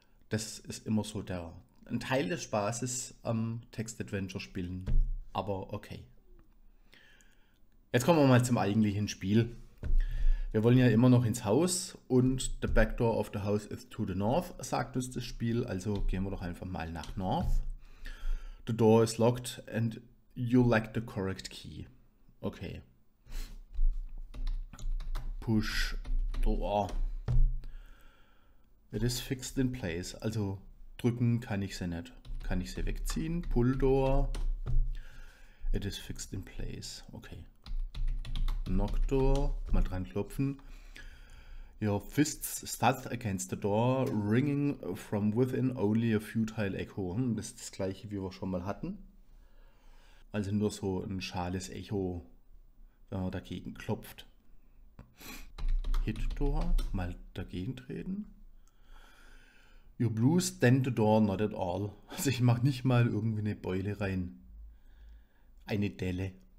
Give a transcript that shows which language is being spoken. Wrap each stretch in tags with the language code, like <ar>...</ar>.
<de>Das ist immer so ein Teil des Spaßes am Text-Adventure-Spielen. Aber okay. Jetzt kommen wir mal zum eigentlichen Spiel. Wir wollen ja immer noch ins Haus und</de> <en>the back door of the house is to the north,</en> <de>sagt uns das Spiel. Also gehen wir doch einfach mal nach north.</de> <en>The door is locked and you lack the correct key. Okay. Push door. It is fixed in place.</en> <de>Also drücken kann ich sie nicht. Kann ich sie wegziehen?</de> <en>Pull door. It is fixed in place. Okay. Knock door.</en> <de>Mal dran klopfen.</de> <en>Your fists thud against the door, ringing from within only a futile echo.</en> <de>Das ist das gleiche, wie wir schon mal hatten. Also nur so ein schales Echo, wenn man dagegen klopft.</de> <en>Hit door,</en> <de>mal dagegen treten.</de> <en>Your blues dent the door not at all.</en> <de>Also ich mach nicht mal irgendwie eine Beule rein. Eine Delle.</de>